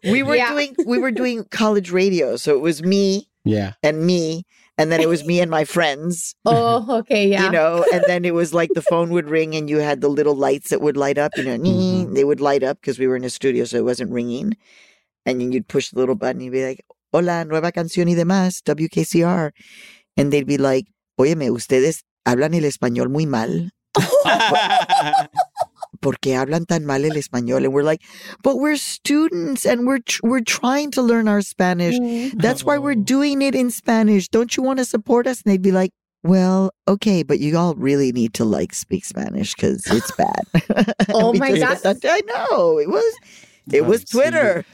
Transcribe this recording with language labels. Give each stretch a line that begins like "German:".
English: We were doing college radio. So it was me and me. And then it was me and my friends. Oh, okay. Yeah. You know, and then it was like the phone would ring and you had the little lights that would light up. You know, they would light up because we were in a studio. So it wasn't ringing. And then you'd push the little button. You'd be like,
Spanish: hola, nueva canción y demás, WKCR.
English: And they'd be like,
Spanish: óyeme, ustedes hablan el español muy mal. ¿Por qué hablan tan mal el español?
English: And we're like, but we're students and we're trying to learn our Spanish. That's why we're doing it in Spanish. Don't you want to support us? And they'd be like, well, okay, but you all really need to like speak Spanish because it's bad. Oh, my gosh. I know. It was Twitter.